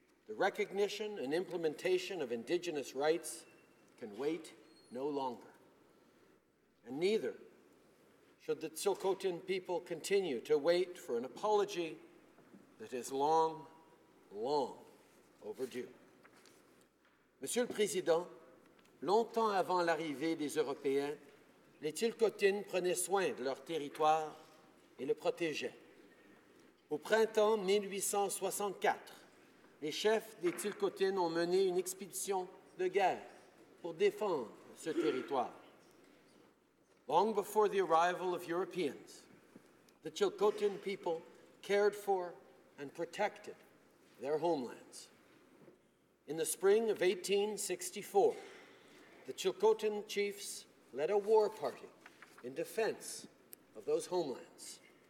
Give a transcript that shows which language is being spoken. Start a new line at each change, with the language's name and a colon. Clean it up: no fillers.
English: The recognition and implementation of Indigenous rights can wait no longer. And neither should the Tsilhqot’in people continue to wait for an apology that is long, long overdue.
French: Monsieur le Président, longtemps avant l'arrivée des Européens, les Tsilhqot’in prenaient soin de leur territoire et le protégeaient. Au printemps 1864, les chefs des Tsilhqot’in ont mené une expédition de guerre pour défendre ce territoire.
English: Long before the arrival of Europeans, the Tsilhqot’in people cared for and protected their homelands. In the spring of 1864, the Tsilhqot’in chiefs led a war party in defense of those homelands.